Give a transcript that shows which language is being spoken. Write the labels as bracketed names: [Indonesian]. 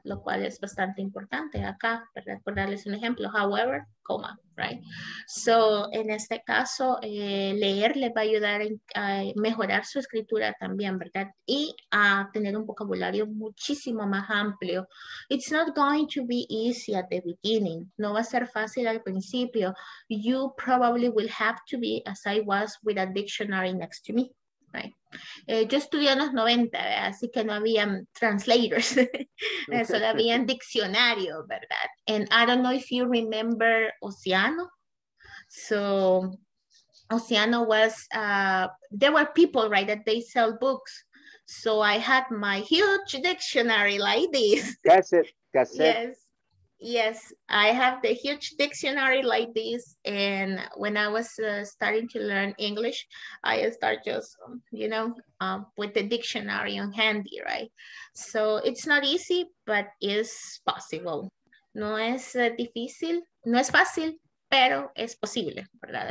[Spanish] Lo cual es bastante importante acá, ¿verdad? Por darles un ejemplo, however, coma, right? So, en este caso, leer les va a ayudar a mejorar su escritura también, ¿verdad? Y a tener un vocabulario muchísimo más amplio. [English] It's not going to be easy at the beginning. [Spanish] No va a ser fácil al principio. [English] You probably will have to be as I was with a dictionary next to me. [Spanish] Right. Yo estudié en los 90, ¿verdad? Así que no habían translators, solo habían diccionario, ¿verdad? [English] And I don't know if you remember Oceano. So, Oceano was, there were people, right, that they sell books. So, I had my huge dictionary like this. That's it, that's it. Yes. Yes, I have the huge dictionary like this, and when I was starting to learn English, I start just, you know, with the dictionary on handy, right? So it's not easy, but it's possible. [Spanish] No es difícil, no es fácil, pero es posible, ¿verdad?